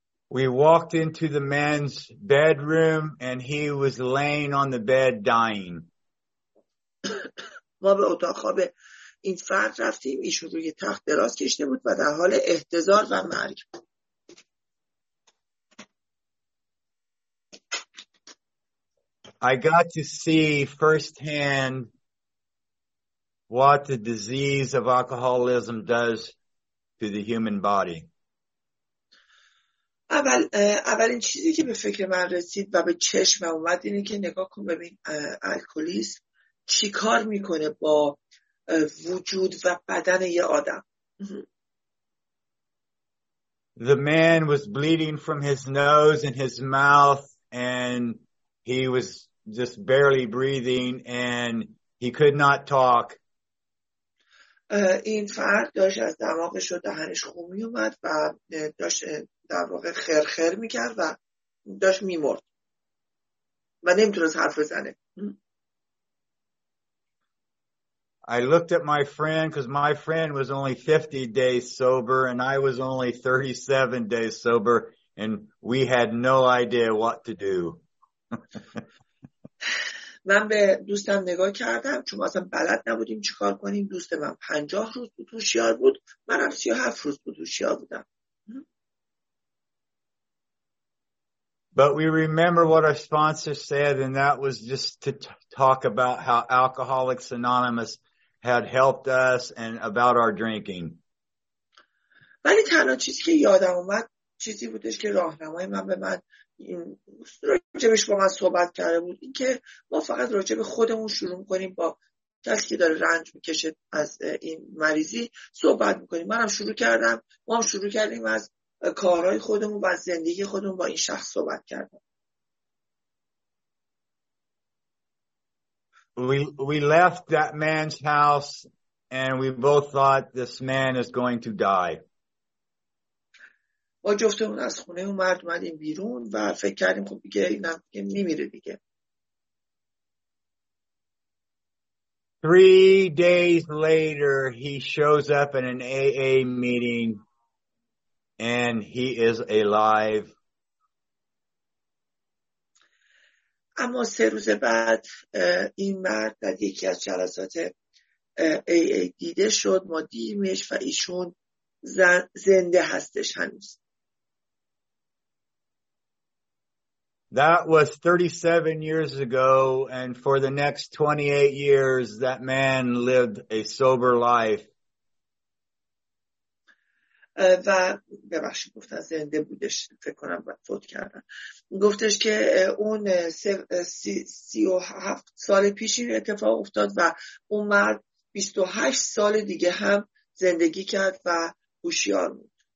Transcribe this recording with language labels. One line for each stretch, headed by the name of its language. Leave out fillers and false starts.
English: We walked into the man's bedroom and he was laying on the bed dying.
Persian: ما به اتاق خواب این فرد رفتیم، ایشون روی تخت دراز کشیده بود و در حال احتضار و مرگ.
English: I got to see firsthand what the disease of alcoholism does to the human body.
Persian: اولین چیزی که به فکر من رسید و به چشم اومد اینه که نگاه کن ببین الکلیسم چی کار میکنه با وجود و بدن یه آدم.
English: The man was bleeding from his nose and his mouth and he was just barely breathing and he could not talk.
Persian: این فرد داشت از دماغش و دهنش خون می اومد و داشت در واقع خرخر می کرد و داشت می مرد و نمی تونست حرف بزنه.
English: I looked at my friend because my friend was only 50 days sober and I was only 37 days sober and we had no idea what to do.
Persian: من به دوستم نگاه کردم چون ما اصلا بلد نبودیم چیکار کنیم. دوست من 50 روز بود هوشیار بود، منم 37 روز بود هوشیار بودم.
English: But we remember what our sponsor said and that was just to talk about how Alcoholics Anonymous had helped us and about our drinking.
Persian: ولی تنها چیزی که یادم اومد چیزی بودش که راهنمای من به من راجبش با من صحبت کرده بود، این که ما فقط راجب خودمون شروع میکنیم با کسی که داره رنج میکشه از این مریضی صحبت میکنیم. منم شروع کردم، ما هم شروع کردیم از کارهای خودمون و از زندگی خودمون با این شخص صحبت کردم.
English: We left that man's house and we both thought this man is going to die.
Persian: ما جفتمون از خونه اون مرد اومدیم بیرون و فکر کردیم خب دیگه اینم دیگه میمیره دیگه.
English: 3 days later he shows up in an AA meeting and he is alive.
Persian: اما سه روز بعد این مرد در یکی از جلسات AA دیده شد، ما دیدیمش و ایشون زنده هستش هنوز.
English: That was 37 years ago and for the next 28 years that man lived a sober life.
Persian: و ببخشید گفتن زنده بودش، فکر کنم فوت کردن. گفتش که اون 37 سال پیش این اتفاق افتاد و اون مرد 28 سال دیگه هم زندگی کرد و هوشیار بود.